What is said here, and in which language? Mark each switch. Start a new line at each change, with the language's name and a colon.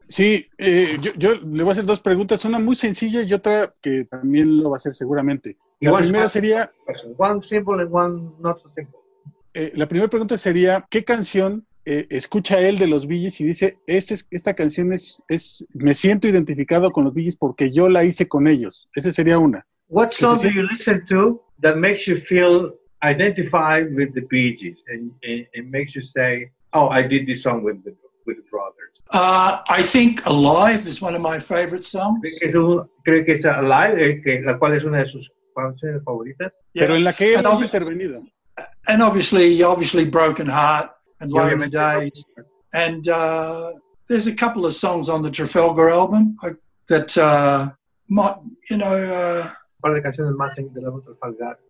Spanish: Sí, yo le voy a hacer dos preguntas, una muy sencilla y otra que también lo va a hacer seguramente. La primera sería...
English: One simple and one not so simple.
Spanish: La primera pregunta sería, ¿qué canción escucha él de los Bee Gees y dice, esta canción es me siento identificado con los Bee Gees porque yo la hice con ellos? Esa sería una.
English: What song do you listen to that makes you feel identify with the Bee Gees and makes you say, oh, I did this song with the brothers. I think Alive is one of my favorite songs.
Spanish: ¿Cree que es Alive, la cual es una de sus canciones favoritas? Pero en la que él ha intervenido.
English: And obviously Broken Heart and Lonely Days. And there's a couple of songs on the Trafalgar album
Spanish: ¿Cuál es la canción más de la Trafalgar?